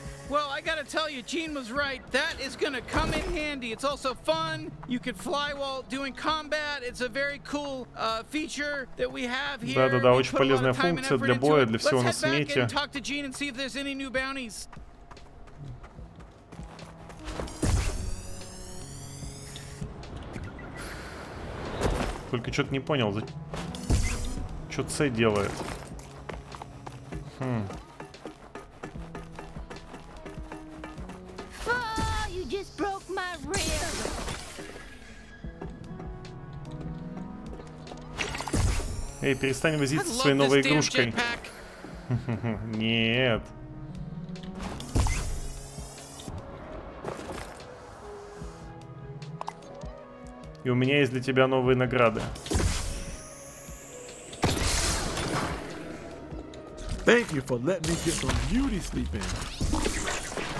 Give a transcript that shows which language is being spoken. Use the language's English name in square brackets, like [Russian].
[English] Well, I gotta tell you, Gene was right. That is gonna come in handy. It's also fun. You can fly while doing combat. It's a very cool feature that we have here. [Russian] Да, очень полезная функция для боя, для всего на свете. [English] Let's head back and talk to Gene and see if there's any new bounties. [Russian] Только что-то не понял, что Ц делает. [English] Fuck! you just broke my rib. [Russian] Эй, перестань возиться со своей новой игрушкой. Нет. И у меня есть для тебя новые награды. [English] Thank you for letting me get some beauty sleep in.